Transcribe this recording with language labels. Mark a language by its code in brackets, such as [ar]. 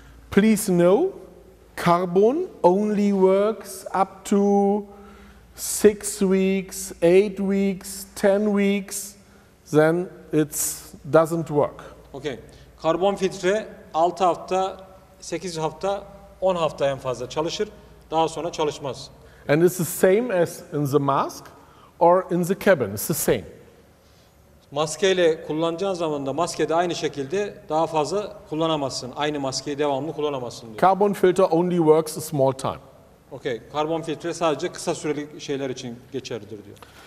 [en] Please know, carbon only works up to 6 weeks, 8 weeks, 10 weeks. Then it doesn't work. Okay. [tr] Karbon filtre 6 hafta, 8 hafta, 10 hafta en fazla çalışır. Daha sonra çalışmaz. [en] And it's the same as in the mask or in the cabin. It's the same. [tr] Maskeyle kullanacağın zaman da maskede aynı şekilde daha fazla kullanamazsın. Aynı maskeyi devamlı kullanamazsın diyor. [en] Carbon filter only works a small time. [tr] Okay, karbon filtre sadece kısa süreli şeyler için geçerlidir diyor.